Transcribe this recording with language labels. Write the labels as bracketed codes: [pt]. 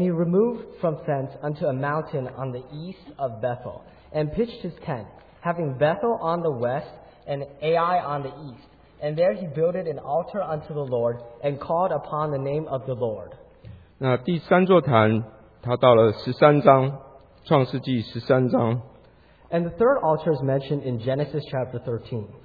[en] he removed from thence unto a mountain on the east of Bethel, and pitched his tent, having Bethel on the west and Ai on the east. And there he built an altar unto the Lord, and called upon the name of the Lord. [zh] 那第三座坛，他到了十三章，创世纪十三章。 [en] And the third altar is mentioned in Genesis chapter 13.